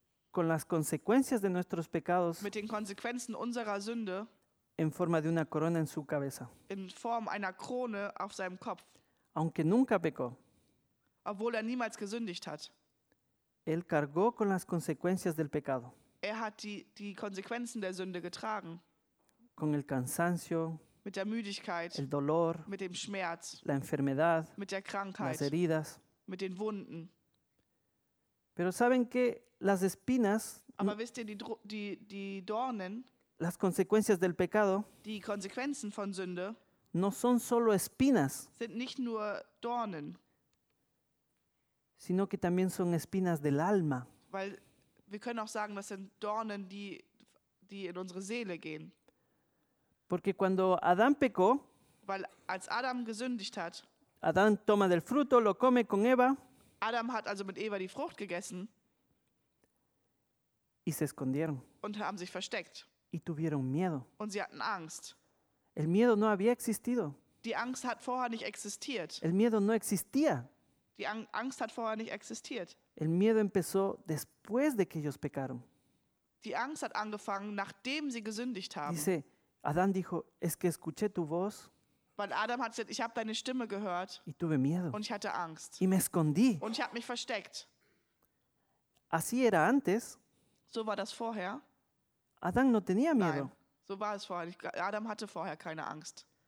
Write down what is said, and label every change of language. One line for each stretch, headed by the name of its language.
Spanish: con las consecuencias de nuestros pecados,
German: mit den Konsequenzen unserer Sünde
Spanish: en forma de una corona en su cabeza.
German: In Form einer Krone auf seinem Kopf.
Spanish: Aunque nunca pecó,
German: obwohl er niemals gesündigt hat.
Spanish: Él cargó con las consecuencias del pecado.
German: Er hat die Konsequenzen der Sünde getragen.
Spanish: Con el cansancio,
German: mit der Müdigkeit,
Spanish: el dolor,
German: mit dem Schmerz,
Spanish: la enfermedad,
German: mit der Krankheit,
Spanish: las heridas,
German: mit den Wunden.
Spanish: Pero saben que las espinas,
German: aber wisst ihr, die Dornen,
Spanish: las consecuencias del pecado,
German: die Konsequenzen von Sünde,
Spanish: no son solo espinas,
German: sind nicht nur Dornen,
Spanish: sino que también son espinas del alma.
German: Weil wir können auch sagen, das sind Dornen, die in unsere Seele gehen.
Spanish: Porque cuando Adán pecó,
German: weil als Adam gesündigt hat,
Spanish: Adán toma del fruto, lo come con Eva,
German: Adam hat also mit Eva die Frucht gegessen
Spanish: y se escondieron,
German: und haben sich versteckt
Spanish: y tuvieron miedo.
German: Und sie hatten Angst.
Spanish: El miedo no había existido.
German: Die Angst hat vorher nicht existiert.
Spanish: El miedo no existía.
German: Die Angst hat vorher nicht existiert.
Spanish: El miedo empezó después de que ellos pecaron.
German: Die Angst hat angefangen, nachdem sie gesündigt haben.
Spanish: Dice, Adán dijo, es que escuché tu voz.
German: Weil Adam hat gesagt, ich habe deine Stimme gehört.
Spanish: Y tuve miedo.
German: Und ich hatte Angst.
Spanish: Y me escondí.
German: Und ich habe mich versteckt.
Spanish: Así era antes.
German: So war das vorher.
Spanish: Adán no tenía miedo.
German: Nein, so war es vorher. Adam hatte vorher keine Angst.